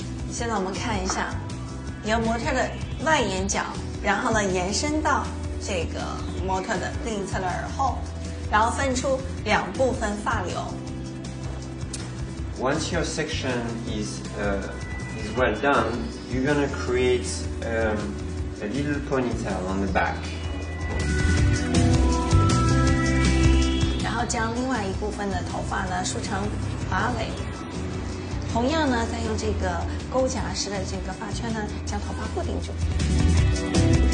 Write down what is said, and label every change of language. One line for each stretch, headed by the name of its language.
Chinese: 现在我们看一下，由模特的外眼角，然后呢延伸到这个模特的另一侧的耳后，然后分出两部分发流。
English: Once your section is well done, you're gonna create a little ponytail on the back.
Chinese: 然后将另外一部分的头发呢梳成马尾。同样呢，再用这个钩夹式的这个发圈呢，将头发固定住。